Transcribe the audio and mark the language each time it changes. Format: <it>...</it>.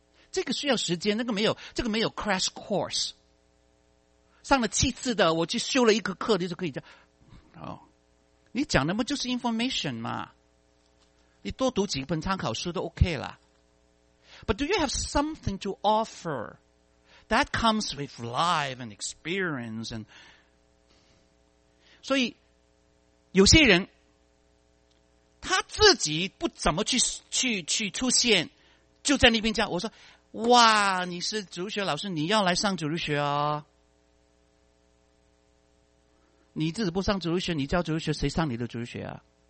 <zh>这个需要时间，那个没有，这个没有 crash course。上了七次的我去修了一个课你就可以讲。哦，你讲的不就是 information 吗？你多读几本参考书都 OK 了。</zh> <en>But do you have something to offer that comes with life and experience?</en> <zh>所以有些人他自己不怎么去出现，就在那边叫我说，哇，你是主日学老师，你要来上主日学哦。你自己不上主日学，你教主日学，谁上你的主日学啊？</zh>